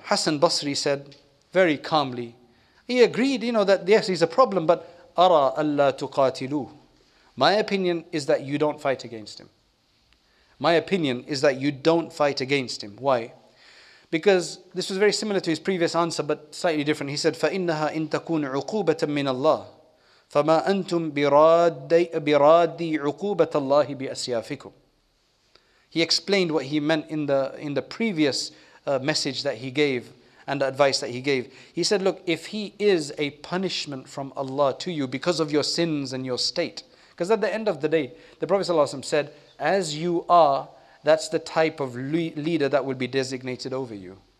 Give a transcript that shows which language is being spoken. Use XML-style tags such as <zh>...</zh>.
<en>Hassan Basri said, very calmly, he agreed, you know, that yes, he's a problem, but</en> <ar>أَرَى أَلَّا تُقَاتِلُوهُ,</ar> <en>my opinion is that you don't fight against him. My opinion is that you don't fight against him. Why? Because this was very similar to his previous answer, but slightly different. He said,</en> <ar>فَإِنَّهَا إِنْ تَكُونَ عُقُوبَةً مِّنَ اللَّهِ فَمَا أَنْتُمْ بِرَادِّي عُقُوبَةَ اللَّهِ بِأَسْيَافِكُمْ.</ar> <en>He explained what he meant in the previous message that he gave and the advice that he gave. He said, look, if he is a punishment from Allah to you because of your sins and your state, because at the end of the day, the Prophet ﷺ said, as you are, that's the type of leader that will be designated over you.</en>